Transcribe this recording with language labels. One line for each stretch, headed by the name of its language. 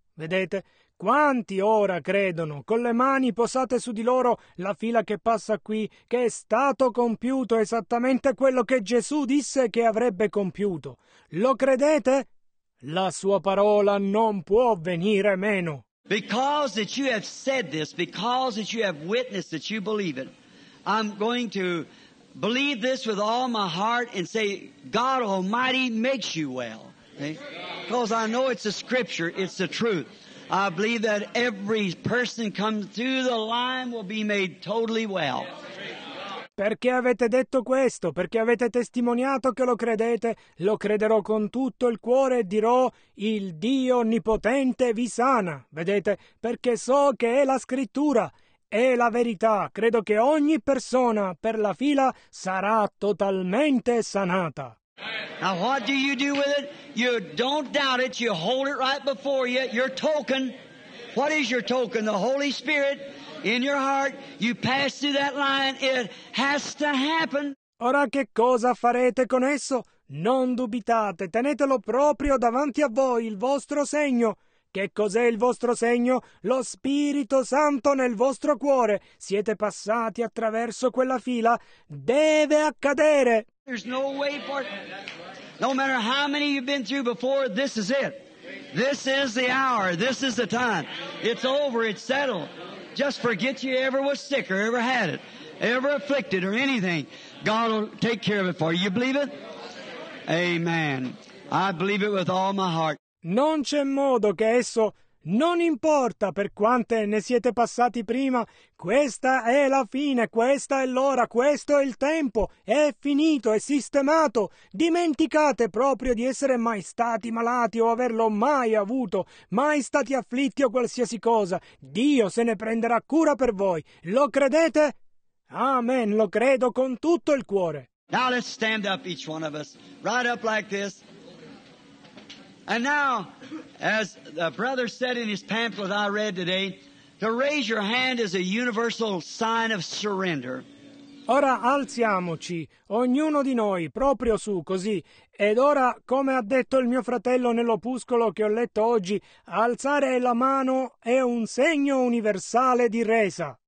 Italian: Vedete, quanti ora credono, con le mani posate su di loro, la fila che passa qui, che è stato compiuto esattamente quello che Gesù disse che avrebbe compiuto. Lo credete? La sua parola non può venire meno.
English: Because that you have said this, because that you have witnessed that you believe it, I'm going to believe this with all my heart and say, God Almighty makes you well. Because I know it's a scripture, it's the truth. I believe that every person comes through the line will be made totally well.
Italian: Perché avete detto questo? Perché avete testimoniato che lo credete? Lo crederò con tutto il cuore e dirò, il Dio Onnipotente vi sana. Vedete? Perché so che è la scrittura, è la verità. Credo che ogni persona per la fila sarà totalmente sanata.
English: Now, what do you do with it? You don't doubt it. You hold it right before you. Your token. What is your token? The Holy Spirit in your heart. You pass through that line. It has to happen.
Italian: Ora che cosa farete con esso? Non dubitate. Tenetelo proprio davanti a voi, il vostro segno. Che cos'è il vostro segno? Lo Spirito Santo nel vostro cuore. Siete passati attraverso quella fila. Deve accadere.
English: There's no way for it. No matter how many you've been through before, this is it. This is the hour. This is the time. It's over. It's settled. Just forget you ever was sick or ever had it, ever afflicted or anything. God will take care of it for you. You believe it? Amen. I believe it with all my heart.
Italian: Non c'è modo che esso, non importa per quante ne siete passati prima, questa è la fine, questa è l'ora, questo è il tempo, è finito, è sistemato. Dimenticate proprio di essere mai stati malati o averlo mai avuto, mai stati afflitti o qualsiasi cosa. Dio se ne prenderà cura per voi. Lo credete? Amen, lo credo con tutto il cuore.
English: Now let's stand up each one of us, right up like this. And now, as the brother said in his pamphlet I read today, to raise your hand is a universal sign of surrender.
Italian: Ora alziamoci, ognuno di noi, proprio su, così. Ed ora, come ha detto il mio fratello nell'opuscolo che ho letto oggi, alzare la mano è un segno universale di resa.